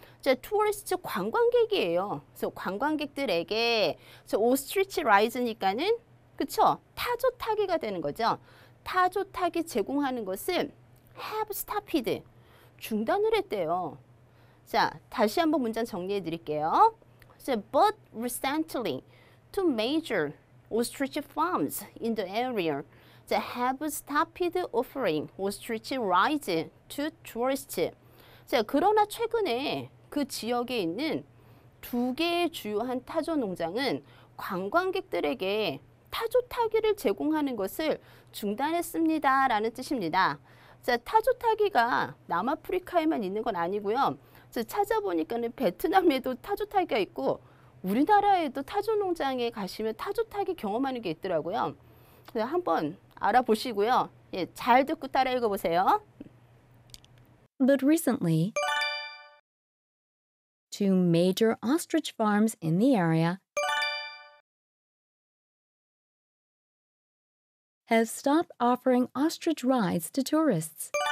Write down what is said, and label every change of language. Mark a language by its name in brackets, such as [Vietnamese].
[Korean] 자, tourists 관광객이에요. So 관광객들에게 [English] so ostrich rice [Korean] 니까는 그쵸? 타조 타기가 되는 거죠. 타조 타기 제공하는 것은 [English] have stopped [Korean] 중단을 했대요. 자, 다시 한번 문장 정리해 드릴게요. [English] So but recently two major ostrich farms in the area so have stopped offering ostrich rice to tourists. [Korean] 자, 그러나 최근에 그 지역에 있는 두 개의 주요한 타조 농장은 관광객들에게 타조 타기를 제공하는 것을 중단했습니다. 라는 뜻입니다. 자, 타조 타기가 남아프리카에만 있는 건 아니고요. 자, 찾아보니까는 베트남에도 타조 타기가 있고 우리나라에도 타조 농장에 가시면 타조 타기 경험하는 게 있더라고요. 한번 알아보시고요. 예, 잘 듣고 따라 읽어보세요. [English] But recently, two major ostrich farms in the area have stopped offering ostrich rides to tourists.